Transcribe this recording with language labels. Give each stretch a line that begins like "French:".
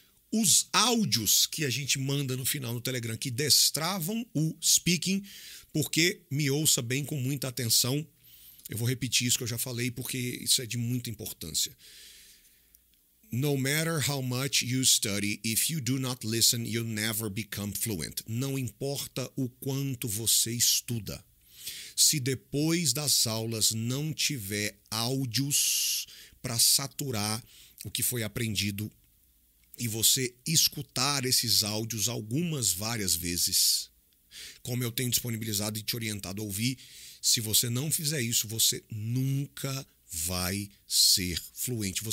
Portuguese: Os áudios que a gente manda no final no Telegram, que destravam o speaking, porque me ouça bem com muita atenção. Eu vou repetir isso que eu já falei, porque isso é de muita importância.
English: No matter how much you study, if you do not listen, you'll never become fluent.
Portuguese: Não importa o quanto você estuda. Se depois das aulas não tiver áudios para saturar o que foi aprendido e você escutar esses áudios algumas várias vezes, como eu tenho disponibilizado e te orientado a ouvir, se você não fizer isso, você nunca vai ser fluente.